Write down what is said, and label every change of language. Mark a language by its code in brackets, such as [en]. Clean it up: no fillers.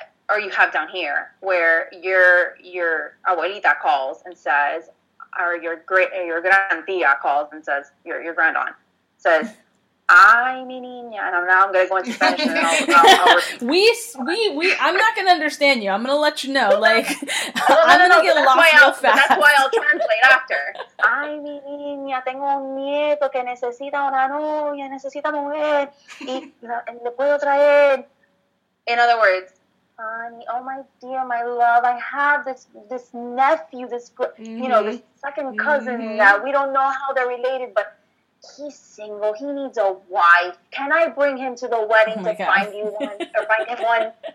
[en] Or you have down here where your abuelita calls and says, or your grandtia calls and says, your grand aunt says, [es] ay, mi niña, [en] and now I'm going to go into Spanish. And we, I'm not going to understand you. I'm going to let you know. Like, that's why I'll translate after. [es] Ay, mi niña, tengo un nieto que necesita una novia, necesita mujer, y le puedo traer. [en] In other words, honey, oh my dear, my love, I have this nephew, this, you know, this second cousin, mm-hmm, that we don't know how they're related, but he's single, he needs a wife, can I bring him to the wedding find him one?